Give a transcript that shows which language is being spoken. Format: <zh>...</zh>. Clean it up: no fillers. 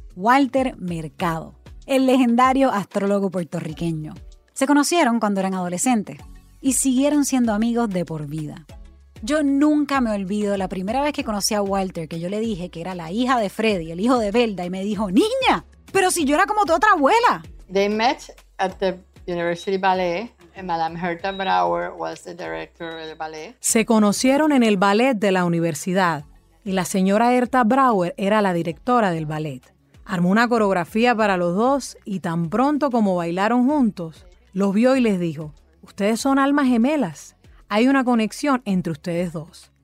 <es>Walter Mercado, el legendario astrólogo puertorriqueño. Se conocieron cuando eran adolescentes y siguieron siendo amigos de por vida. Yo nunca me olvido la primera vez que conocí a Walter, que yo le dije que era la hija de Freddy, el hijo de Velda, y me dijo, ¡niña! ¡Pero si yo era como tu otra abuela!</es> <en>They met at the University Ballet. Madame Herta Brower was the director of the ballet.</en> <es>Se conocieron en el ballet de la universidad y la señora Herta Brower era la directora del ballet. Armó una coreografía para los dos y tan pronto como bailaron juntos, los vio y les dijo, ustedes son almas gemelas, hay una conexión entre ustedes dos.</es>